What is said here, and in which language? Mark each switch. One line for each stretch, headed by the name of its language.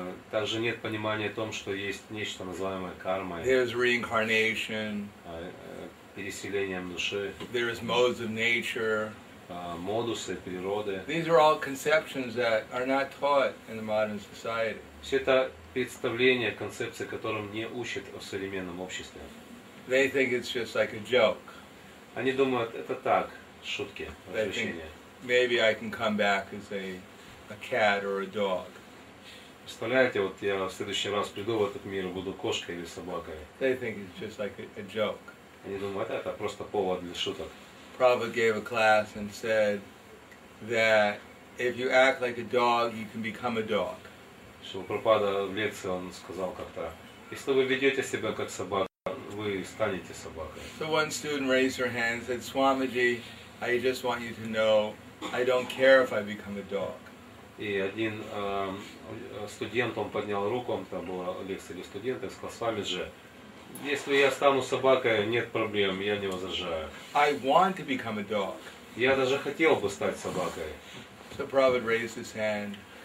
Russian: Также нет понимания о том, что есть нечто называемое кармой.
English: There is reincarnation.
Russian: Переселением души.
English: There is modes of nature.
Russian: Модусы природы.
English: These are all conceptions that are not taught in the modern society.
Russian: Все это представления, концепции, которым не учат в современном обществе.
English: They think it's just like a joke.
Russian: Они думают, это так, шутки, развлечения.
English: Maybe I can come back as a cat or a dog.
Russian: Представляете, вот я в следующий раз приду в этот мир, буду кошкой или собакой.
English: They think it's just like a joke.
Russian: Они думают, это просто повод для шуток.
English: Prabhupada gave a class and said that if you act like a dog, you can become a dog.
Russian: Шрила Прабхупада в лекции он сказал как-то, если вы ведете себя как собака, вы станете собакой.
English: So one student raised her hand and said, Swamiji, I just want you to know, I don't care if I become a dog.
Russian: И один студент, он поднял руку, он там была лекция для студентов, сказал, Свамиджи, если я стану собакой, нет проблем, я не возражаю.
English: I want to become a dog.
Russian: Я даже хотел бы стать собакой.
English: So Prabhupada raised his hand.